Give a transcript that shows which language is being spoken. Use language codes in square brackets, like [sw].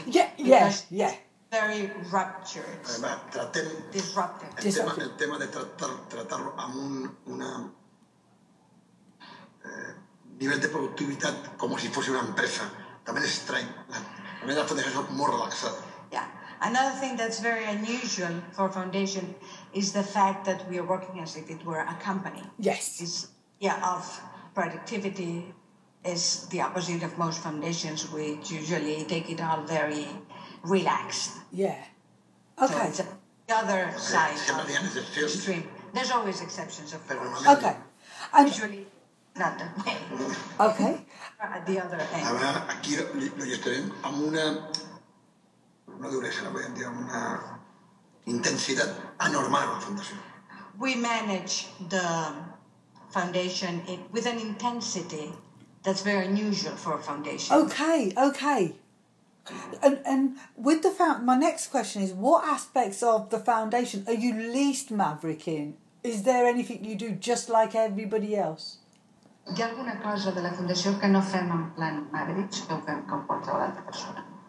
[en] Yeah. Very ruptured. [ca] Tratem... [en] Disruptive. [ca] El tema de tratar-lo amb una... nivell de productivitat com si fos una empresa. També és estrany. També la fundació és molt relaxada. [en] Another thing that's very unusual for a foundation is the fact that we are working as if it were a company. Yes. Of productivity is the opposite of most foundations, which usually take it all very relaxed. Yeah. Okay. So it's the other side of the extreme. There's always exceptions, of course. Okay. And usually not that way. Okay. At the other end. [es] Aquí lo llevaremos a una... [ca] No duresa, la podem dir, amb una intensitat anormal, la fundació. [en] We manage the foundation with an intensity that's very unusual for a foundation. Okay. And with the my next question is, what aspects of the foundation are you least maverick in? Is there anything you do just like everybody else? [ca] Hi ha alguna cosa de la fundació que no fem en plan maverick, que ho fem com qualsevol altra persona?